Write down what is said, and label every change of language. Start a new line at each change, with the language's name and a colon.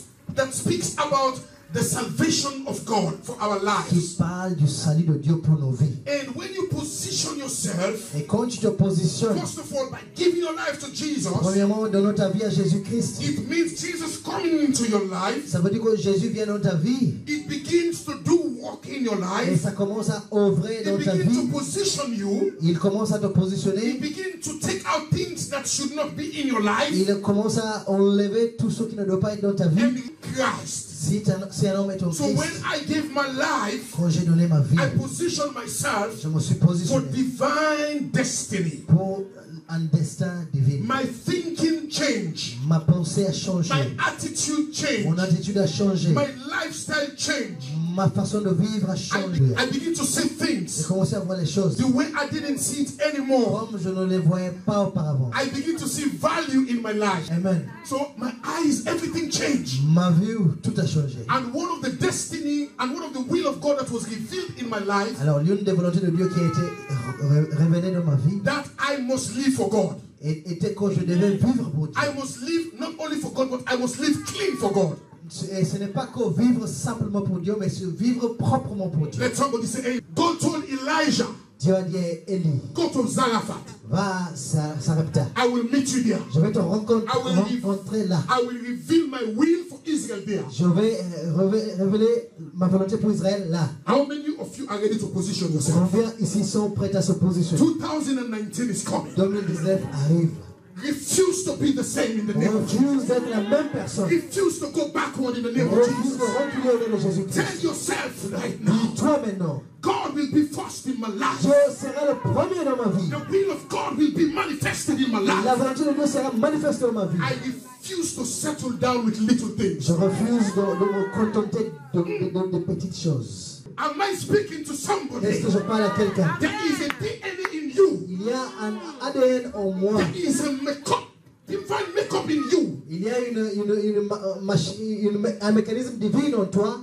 English: that speaks about the salvation of God for our lives.
French: Qui parle du salut de Dieu pour nos vies.
English: And when you position yourself,
French: et quand tu te positionnes,
English: first of all, by giving your life to Jesus,
French: premièrement, donnant ta vie à Jésus-Christ,
English: it means Jesus coming into your life.
French: Ça veut dire que Jésus vient dans ta vie.
English: It begins to do work in your life.
French: Et ça commence à œuvrer dans ta vie.
English: It begins to position you.
French: Il commence à te positionner.
English: It begins to take out things that should not be in your life.
French: Il commence à enlever tout ce qui ne doit pas être dans ta vie.
English: And Christ.
French: Si un, si un homme est ton
English: so Christ, when I gave my life,
French: quand j'ai donné ma vie,
English: I positioned myself
French: je me suis positionné
English: for divine destiny.
French: Pour un destin divin.
English: My thinking changed.
French: Ma pensée a changé.
English: My attitude changed.
French: Mon attitude a changé.
English: My lifestyle changed.
French: Ma façon de vivre a changé.
English: I begin to see things.
French: J'ai commencé à voir les choses.
English: The way I didn't see it anymore.
French: Comme je ne les voyais pas auparavant.
English: I begin to see value in my life. Amen. So my eyes, everything changed.
French: Ma vue, tout a changé.
English: And one of the destiny and one of the will of God that was revealed in my life.
French: Alors l'une des volontés de Dieu qui a été révélée dans ma vie.
English: That I must live for God.
French: Était que je devais vivre pour Dieu.
English: I must live not only for God, but I must live clean for God.
French: Et ce n'est pas que vivre simplement pour Dieu, mais c'est vivre proprement pour Dieu.
English: Let somebody say, hey, go to Elijah.
French: Dieu a dit, Elie,
English: go to Zarephath.
French: Va à Sarepta.
English: I will meet you there.
French: Je vais te rencontrer là.
English: I will reveal my will for Israel there.
French: Je vais révéler ma volonté pour Israël là.
English: How many of you are ready to position yourself?
French: Combien ici sont prêts à se positionner?
English: 2019 is coming.
French: 2019 arrive.
English: Refuse to be the same in the name of Jesus.
French: Refuse la même personne.
English: Refuse to go backward in the name of Jesus.
French: Refuse de reculer Jésus.
English: Tell yourself right now.
French: Dis-toi maintenant.
English: God will be first in my life.
French: Dieu sera le premier dans ma vie.
English: The will of God will be manifested in my life.
French: La volonté de Dieu sera manifestée dans ma vie.
English: I refuse to settle down with little things.
French: Je refuse de me contenter de petites choses.
English: Am I speaking to somebody?
French: Est-ce que je parle à quelqu'un?
English: There is a DNA in you.
French: Il y a un ADN en moi.
English: There is a makeup, divine makeup in you.
French: Il y a un mécanisme divin en toi.